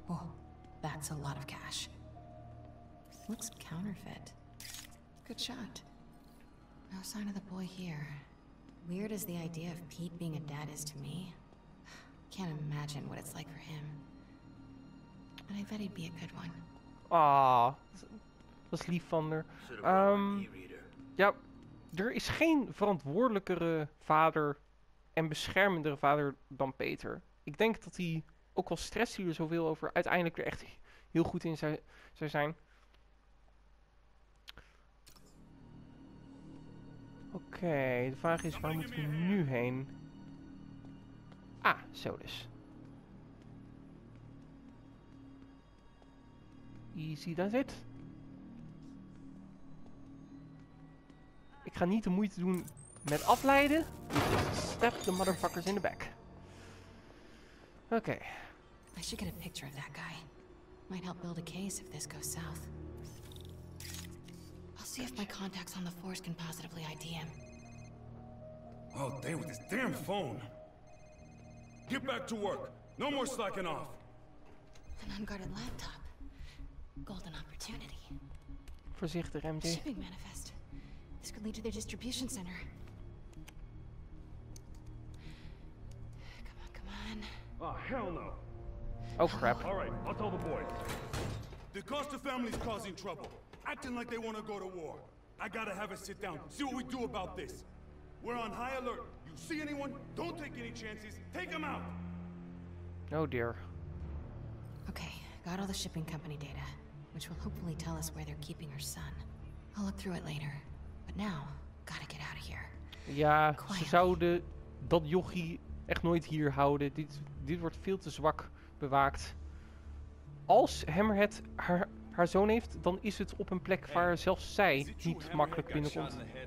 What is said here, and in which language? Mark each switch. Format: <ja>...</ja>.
<en>Oh, that's a lot of cash. Looks counterfeit. Good shot. No sign of the boy here. Weird as the idea of Pete being a dad is to me. Can't imagine what it's like for him. But I bet he'd be a good one.</en> <nl>Ah, dat is lief van haar. Ja, er is geen verantwoordelijkere vader en beschermendere vader dan Peter. Ik denk dat hij, ook al stress hij er zoveel over, uiteindelijk er echt heel goed in zou zijn. Oké, de vraag is, waar moeten we nu heen? Ah, zo dus.</nl> <en>Easy, that's it.</en> <nl>Ik ga niet de moeite doen met afleiden.</nl> <en>Step the motherfuckers in the back.</en> <nl>Oké.</nl> <en>I should get a picture of that guy. Might help build a case if this goes south. I'll see if my contacts on the force can positively ID him. All day with this damn phone. Get back to work. No more slacking off. An unguarded laptop. Golden opportunity.</en> <nl>Voorzichtig, MJ.</nl> <en>Shipping manifest. This could lead to their distribution center. Come on. Oh, hell no. Oh, crap. All right, I'll tell the boys. The Costa family's causing trouble. Acting like they want to go to war. I gotta have a sit down. See what we do about this. We're on high alert. You see anyone? Don't take any chances. Take them out. Oh dear. Okay, got all the shipping company data, which will hopefully tell us where they're keeping her son. I'll look through it later. But now, gotta get out of here.</en> <nl>Ja, ze zouden dat jochie echt nooit hier houden. Dit wordt veel te zwak bewaakt. Als Hammerhead haar zoon heeft, dan is het op een plek waar zelfs zij niet makkelijk binnenkomt.</nl>